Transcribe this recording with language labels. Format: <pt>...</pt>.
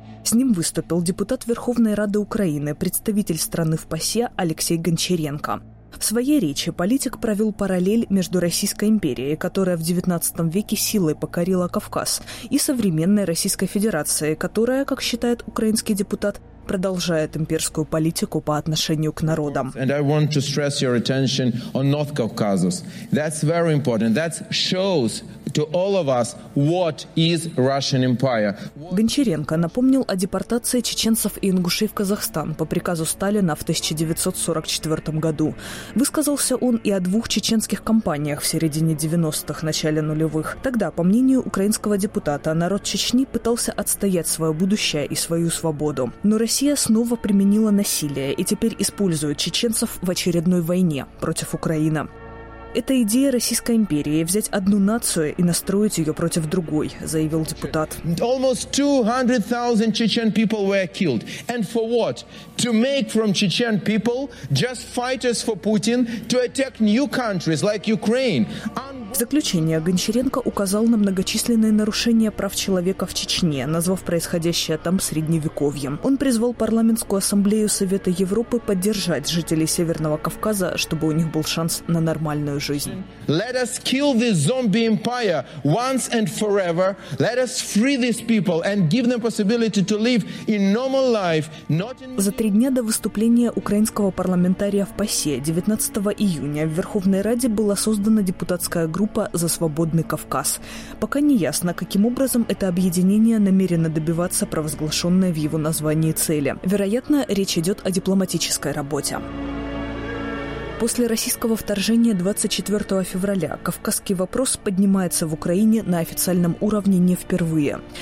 <ru>С ним выступил депутат Верховной Рады Украины, представитель страны в ПАСЕ Алексей Гончаренко. В своей речи политик провел параллель между Российской империей, которая в XIX веке силой покорила Кавказ, и современной Российской Федерацией, которая, как считает украинский депутат, продолжает имперскую политику по отношению к народам.</ru> <en>And I want to stress your attention on North Caucasus. That's very important. That shows to all of us what is Russian Empire.</en> <ru>Гончаренко напомнил о депортации чеченцев и ингушей в Казахстан по приказу Сталина в 1944 году. Высказался он и о двух чеченских кампаниях в середине 90-х, начале нулевых. Тогда, по мнению украинского депутата, народ Чечни пытался отстоять свое будущее и свою свободу. Но Россия снова применила насилие и теперь использует чеченцев в очередной войне против Украины. «Это идея Российской империи – взять одну нацию и настроить ее против другой», – заявил депутат.</ru> <en>Almost 200,000 Chechen people were killed. And for what? To make from Chechen people just fighters for Putin to attack new countries like Ukraine.</en> <ru>В заключение Гончаренко указал на многочисленные нарушения прав человека в Чечне, назвав происходящее там средневековьем. Он призвал Парламентскую ассамблею Совета Европы поддержать жителей Северного Кавказа, чтобы у них был шанс на нормальную жизнь.</ru> <en>Let us kill this zombie empire once and forever. Let us free these people and give them possibility to live in normal life, not in...</en> <ru>За 3 дня до выступления украинского парламентария в ПАСЕ 19 июня в Верховной Раде была создана депутатская группа «За свободный Кавказ». Пока не ясно, каким образом это объединение намерено добиваться провозглашенной в его названии цели. Вероятно, речь идет о дипломатической работе. После российского вторжения 24 февраля кавказский вопрос поднимается в Украине на официальном уровне не впервые.</ru>